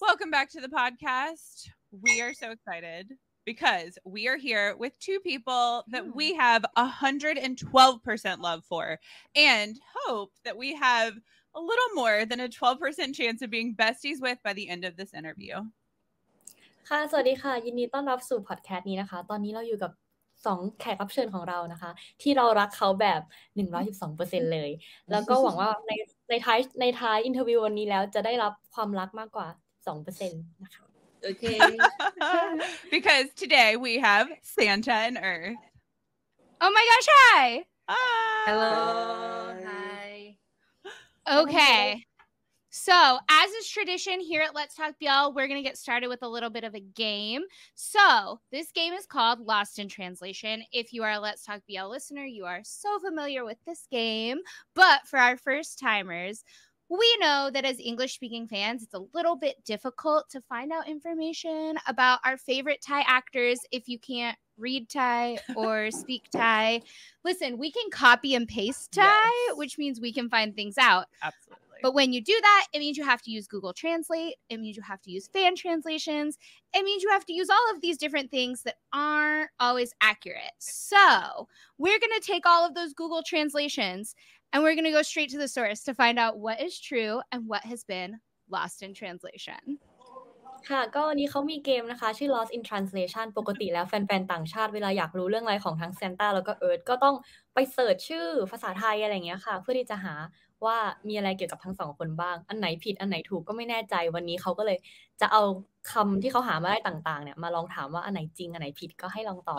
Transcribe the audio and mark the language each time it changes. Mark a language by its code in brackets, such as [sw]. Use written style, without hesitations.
[en] Welcome back to the podcast. We are so excited because we are here with two people that we have 112% love for and hope that we have a little more than a 12% chance of being besties with by the end of this interview. [th] ค่ะสวัสดีค่ะยินดีต้อนรับสู่พอดแคสต์นี้นะคะตอนนี้เราอยู่กับ2แขกรับเชิญของเรานะคะที่เรารักเขาแบบ 112% เลยแล้วก็หวังว่าในท้ายอินเทอร์วิววันนี้แล้วจะได้รับความรักมากกว่า 2% นะคะ [en] Okay. Because today we have Santa and Earth. Oh my gosh, hi! Hello. Hi. Okay. So, as is tradition here at Let's Talk BL, we're going to get started with a little bit of a game. So, this game is called Lost in Translation. If you are a Let's Talk BL listener, you are so familiar with this game. But for our first timers, we know that as English-speaking fans, it's a little bit difficult to find out information about our favorite Thai actors if you can't read Thai or speak Thai. Listen, we can copy and paste Thai, yes, which means we can find things out. Absolutely. But when you do that, it means you have to use Google Translate. It means you have to use fan translations. It means you have to use all of these different things that aren't always accurate. So we're going to take all of those Google translations and we're going to go straight to the source to find out what is true and what has been lost in translation. [th] ค่ะก็วันนี้เขามีเกมนะคะชื่อ Lost in Translation ปกติแล้วแฟนๆต่างชาติเวลาอยากรู้เรื่องอะไรของทั้งซานต้าแล้วก็เอิร์ธก็ต้องไปเสิร์ชชื่อภาษาไทยอะไรอย่างเงี้ยค่ะเพื่อที่จะหาว่ามีอะไรเกี่ยวกับทั้งสองคนบ้างอันไหนผิดอันไหนถูกก็ไม่แน่ใจวันนี้เขาก็เลยจะเอาคำที่เขาหามาได้ต่างๆเนี่ยมาลองถามว่าอันไหนจริงอันไหนผิดก็ให้ลองตอบ